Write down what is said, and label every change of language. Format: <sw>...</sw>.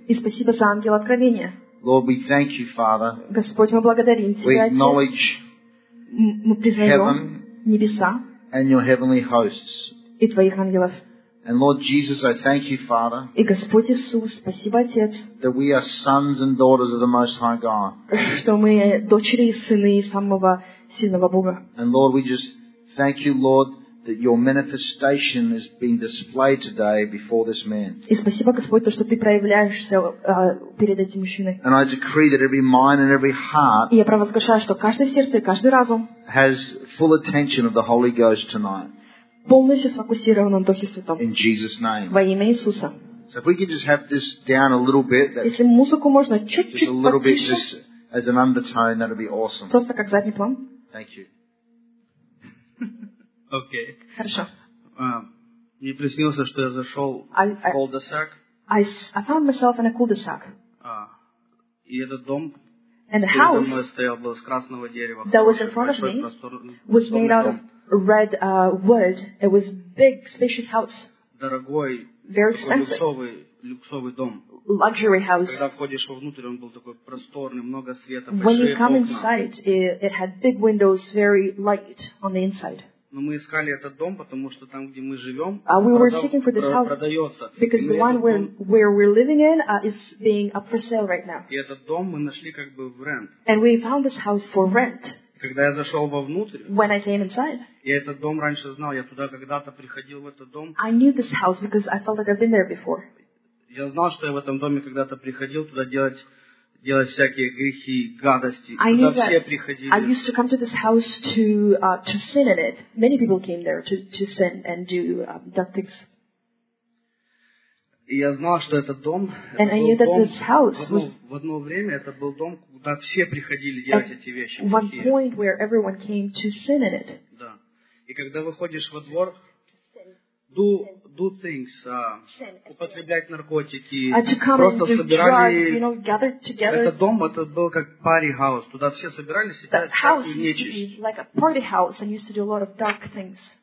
<ru>И спасибо за ангела откровения.</ru> <en>Lord, we thank you, Father.</en> <ru>Господь, мы благодарим тебя, Отец.</ru> <en>We acknowledge heaven,</en> <ru>небеса,</ru> <en>and your heavenly hosts.</en> <ru>И твоих ангелов.</ru> <en>And Lord Jesus, I thank you, Father,</en> <ru>и Господь Иисус, спасибо, Отец,</ru> <en>that we are sons and daughters of the Most High God.</en> <ru>Что мы дочери и сыны самого сильного Бога.</ru> <en>And Lord, we just thank you, Lord, that your manifestation is being displayed today before this man.</en> <ru>И спасибо, Господь, то, что ты проявляешься перед этим мужчиной.</ru> <en>And I decree that every mind and every heart.</en> <ru>И я провозглашаю, что каждое сердце и каждый разум</ru> <en>has full attention of the Holy Ghost tonight.</en> <ru>Полностью сфокусирован на Духе Святом.</ru> <en>In Jesus' name.</en> <ru>Во имя Иисуса.</ru> <en>So if we could just have this down a little bit,</en> <ru>если музыку можно чуть-чуть</ru> <en>just a little bit just as an undertone, that would be awesome.</en> <ru>Просто как задний план.</ru> <en>Thank you. Okay.</en> <ru>Хорошо. Мне приснилось, что я зашел в cul-de-sac.</ru> <en>I found myself in a cul-de-sac.</en> <ru>И этот дом,</ru> <en>and the house</en> <ru>стоял, был из красного дерева.</ru> <en>That was in front of me was made out of red wood. It was big, spacious house.</en> <ru>Дорогой.</ru> <en>Very expensive.</en> <ru>Люксовый дом.</ru> <en>Luxury house.</en> <ru>Когда входишь вовнутрь, он был такой просторный, много света,</ru> <en>when you come</en> <ru>окна.</ru> <en>Inside, it had big windows, very light on the inside.</en> <ru>Но мы искали этот дом, потому что там, где мы живем, продается.</ru> <en>Because the one where we're living in is being up for sale right now.</en> <ru>И этот дом мы нашли как бы в рент.</ru> <en>And we found this house for rent.</en> <ru>Когда я зашел вовнутрь,</ru> <en>when I came inside,</en> <ru>я этот дом раньше знал, я туда когда-то приходил в этот дом.</ru> <en>I knew this house because I felt like I've been there before.</en> <ru>Я знал, что я в этом доме когда-то приходил туда делать всякие грехи, гадости.</ru> <en>I</en> <ru>туда все</ru> <en>that</en> <ru>приходили.</ru> <en>I used to come to this house to sin in it. Many people came there to sin and do dumb things.</en> <ru>И я знал, что этот дом,</ru> <en>and</en> <ru>это</ru> <en>I knew</en> <ru>дом,</ru> <en>that this house</en> <ru>в одно время это был дом, куда все приходили делать эти вещи.</ru> <en>At one point where everyone came to sin in it.</en> <ru>Да. И когда выходишь во двор,</ru> <en>do things,</en> <ru>употреблять наркотики, просто собирали</ru> <en>drugs, you know, gather together.</en> <ru>Этот дом, это был как</ru> <en>party house,</en> <ru>туда все собирались,</ru> <en>that house</en> <ru>и нечисть.</ru> <en>Like a party house and used to do a lot of dark things.</en>